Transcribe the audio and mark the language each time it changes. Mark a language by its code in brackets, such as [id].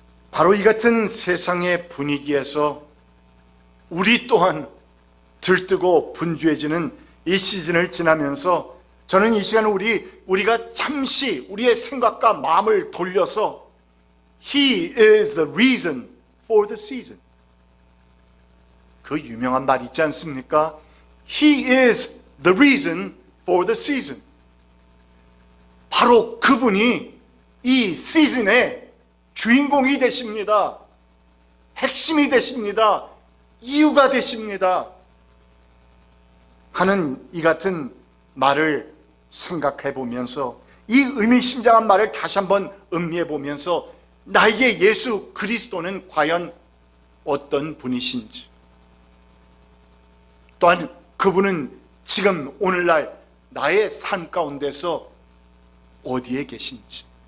[ko] 바로 이 같은 세상의 분위기에서 우리 또한 들뜨고 분주해지는 이 시즌을 지나면서 저는 이 시간 우리가 잠시 우리의 생각과 마음을 돌려서 [en] He is the reason for the season. [ko] 그 유명한 말 있지 않습니까? [en] He is the reason for the season. [ko] 바로 그분이 이 시즌에 주인공이 되십니다. 핵심이 되십니다. 이유가 되십니다. 하는 이 같은 말을 생각해 보면서 이 의미심장한 말을 다시 한번 음미해 보면서 나에게 예수 그리스도는 과연 어떤 분이신지 또한 그분은 지금 오늘날 나의 삶 가운데서 어디에 계신지